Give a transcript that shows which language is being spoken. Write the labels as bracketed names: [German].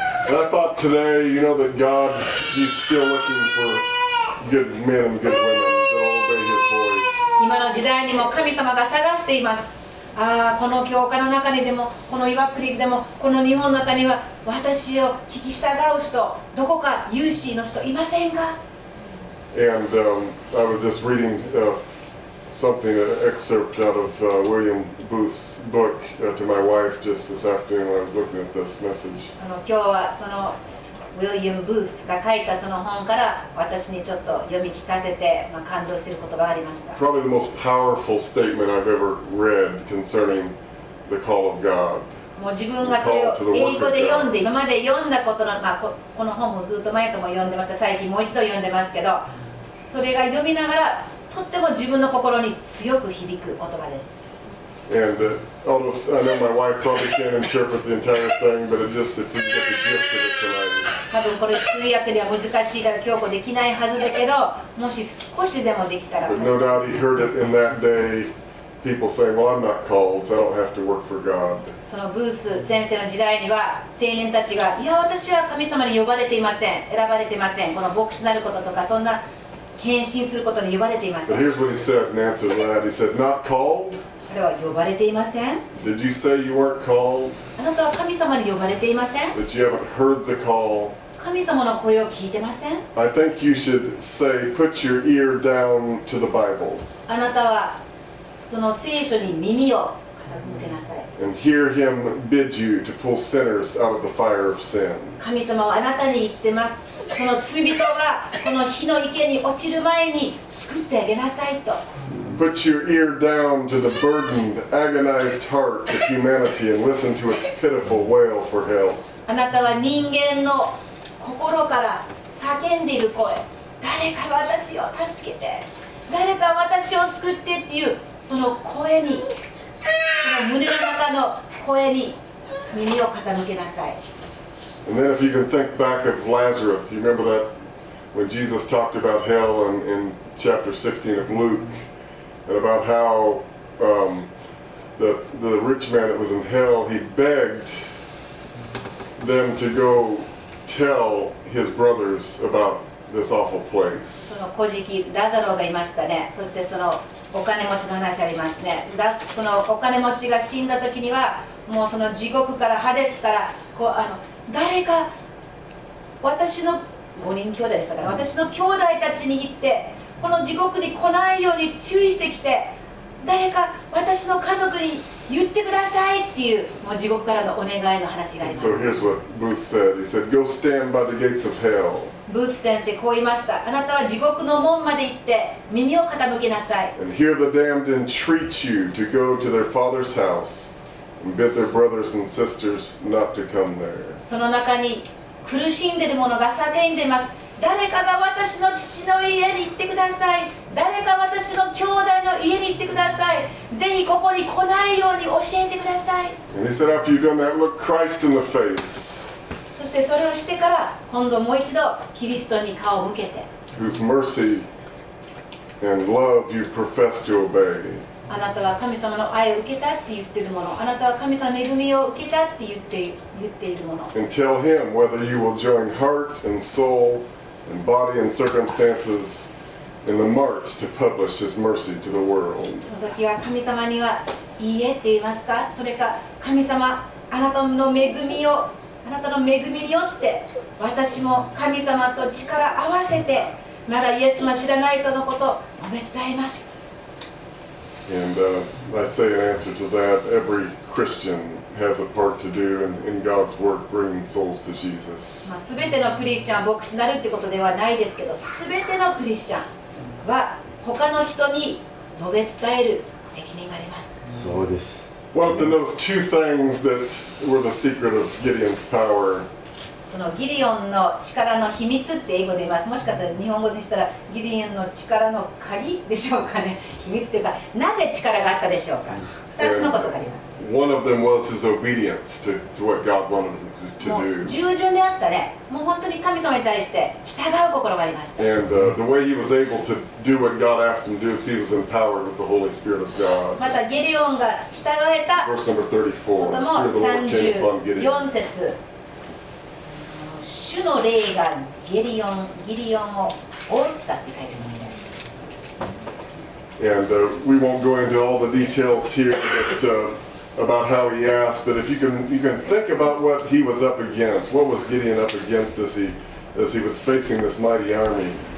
[English] And I thought today, you know, that God, he's still looking for good men and good women to obey his voice. [Japanese] 今の時代にも神様が探しています。ああ、この教会の中にでも、この岩国でも、この日本の中には、私を聞き従う人、どこか有志の人いませんか? [English] And I was just reading something, an excerpt out of William Booth's book to my wife just this afternoon when I was looking at this message. [Japanese] 今日はそのウィリアム・ブースが書いたその本から私にちょっと読み聞かせて、まあ、感動している言葉がありました。 [English] Probably the most powerful statement I've ever read concerning the call of God. [Japanese] もう自分がそれを英語で読んで、今まで読んだことの、まあ、この本もずっと前からも読んで、また最近もう一度読んでますけど、それが読みながらとっても自分の心に強く響く言葉です。 [English] And almost, I know my wife probably can't interpret the entire thing, but it just, if you get the gist of it tonight. [Japanese] 多分これ通訳では難しいから今日もできないはずだけど、もし少しでもできたら。 [English] But no doubt he heard it in that day, people saying, well, I'm not called, so I don't have to work for God. [Japanese] そのブース先生の時代には、青年たちが、いや、私は神様に呼ばれていません、選ばれていません、この牧師になることとか、そんな献身することに呼ばれていません。 [English] But here's what he said in answer to that. He said, not called? Did you say you weren't called? [Japanese] あなたは神様に呼ばれていません? [English] But you haven't heard the call. [Japanese] 神様の声を聞いてません? [English] I think you should say, put your ear down to the Bible. [Japanese] あなたはその聖書に耳を傾けなさい。 [English] And hear him bid you to pull sinners out of the fire of sin. [Japanese] 神様はあなたに言ってます。その罪人がこの火の池に落ちる前に救ってあげなさいと。 [English] Put your ear down to the burdened, agonized heart of humanity and listen to its pitiful wail for help. [Japanese] あなたは人間の心から叫んでいる声、誰か私を助けて、誰か私を救ってっていうその声に、その胸の中の声に耳を傾けなさい。 [English] And then if you can think back of Lazarus, you remember that when Jesus talked about hell in chapter 16 of Luke,And about how the rich man that was in hell, he begged them to go tell his brothers about this awful place. [Japanese] その古事記、ラザロがいましたね。そしてそのお金持ちの話ありますね。そのお金持ちが死んだ時には、もうその地獄からハデスから、こうあの誰か私の5人兄弟でしたから、私の兄弟たちに言って、この地獄に来ないように注意してきて、誰か私の家族に言ってくださいっていう、もう地獄からのお願いの話があります。 [English] So here's what Booth said. He said, go stand by the gates of hell. [Japanese] Booth 先生こう言いました。あなたは地獄の門まで行って耳を傾けなさい。 [English] And hear the damned entreat you to go to their father's house and bid their brothers and sisters not to come there. [Japanese] その中に苦しんでる者が叫んでます。誰かが私の父の家に行ってください。誰か私の兄弟の家に行ってください。ぜひここに来ないように教えてください。 [English] And he said, after you've done that, look Christ in the face. [Japanese] そしてそれをしてから、今度もう一度キリストに顔を向けて。 [English] Whose mercy and love you profess to obey. [Japanese] あなたは神様の愛を受けたって言ってるもの。あなたは神様の恵みを受けたって言っているもの。 [English] And tell him whether you will join heart and soul. And body and circumstances in the march to publish His mercy to the world. [Japanese] その時は神様にはいいえって言いますか？それか神様あなたの恵みをあなたの恵みによって私も神様と力合わせてまだイエスも知らない人のことをお召し伝えます。 [English] And I say in answer to that, every Christian has a part to do in God's work bringing souls to Jesus. [Japanese] まあ、全てのクリスチャン牧師になるってことではないですけど、全てのクリスチャンは他の人に述べ伝える責任があります。そうです。 [English] One of the most two things that were the secret of Gideon's power. [Japanese] そのギデオンの力の秘密って英語で言います。もしかしたら日本語でしたらギデオンの力の鍵でしょうかね。秘密というか、なぜ力があったでしょうか。二つのことがあります。 [English] One of them was his obedience to what God wanted him to do. [Japanese] もう従順であったね。もう本当に神様に対して従う心がありました。 [English] And the way he was able to do what God asked him to do is he was empowered with the Holy Spirit of God. [Japanese] またゲデオンが従えた。 [English] Verse number [Japanese] 34. ことも34節。主の霊がゲデオンを覆ったって書いてます。 [English] And we won't go into all the details here, but about how he asked, but if you can think about what he was up against, what was Gideon up against as he was facing this mighty army.